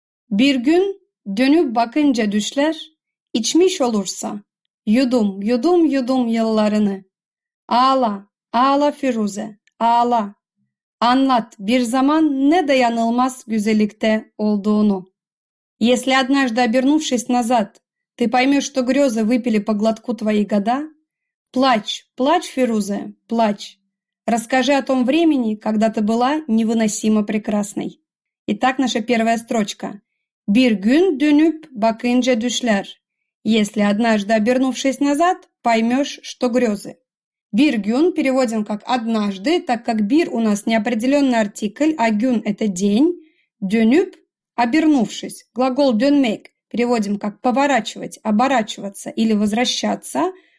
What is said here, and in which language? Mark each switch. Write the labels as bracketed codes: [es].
[tr] Bir gün dönüp bakınca düşler, içmiş olursa, yudum, yudum, yudum yıllarını. Ağla, ağla Firuze, ağla. Anlat bir zaman ne dayanılmaz güzellikte olduğunu. [ru] Если однажды, обернувшись назад, ты поймешь, что грезы выпили по глотку твои года, плачь, плачь, Фирузе, плачь. Расскажи о том времени, когда ты была невыносимо прекрасной. Итак, наша первая строчка. [tr] Bir gün dönüp bakınca düşler. [ru] Если однажды, обернувшись назад, поймешь, что грезы. Bir gün переводим как однажды, так как bir у нас неопределенный артикль, а gün – это день. Dönüp – обернувшись. Глагол dönmek переводим как поворачивать, оборачиваться или возвращаться.